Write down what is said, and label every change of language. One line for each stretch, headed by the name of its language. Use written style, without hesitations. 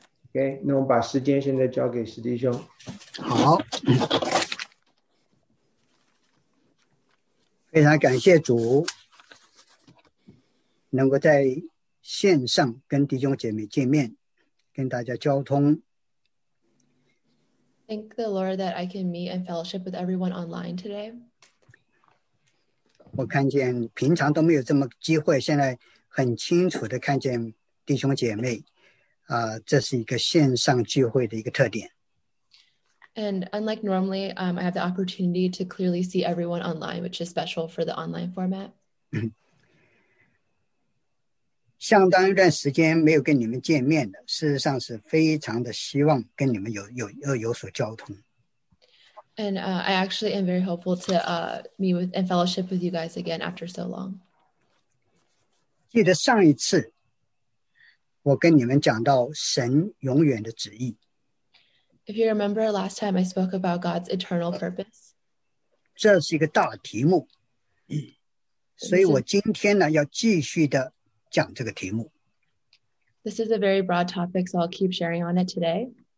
Chinese: OK， 那我们把时间现在交给史弟兄。好，非常感谢主能够在线上跟弟兄姐妹见面，跟大家交通。
English: Thank the Lord that I can meet and fellowship with everyone online today.
Chinese: 我看见平常都没有这么机会，现在很清楚的看见弟兄姐妹。这是一个线上聚会的一个特点。
English: And unlike normally, I have the opportunity to clearly see everyone online, which is special for the online format.
Chinese: 相当一段时间没有跟你们见面的，事实上是非常的希望跟你们有所交通。
English: And I actually am very hopeful to meet with and fellowship with you guys again after so long.
Chinese: 记得上一次我跟你们讲到神永远的旨意。
English: If you remember last time I spoke about God's eternal purpose.
Chinese: 这是一个大题目。所以我今天呢要继续的讲这个题目。
English: This is a very broad topic, so I'll keep sharing on it today.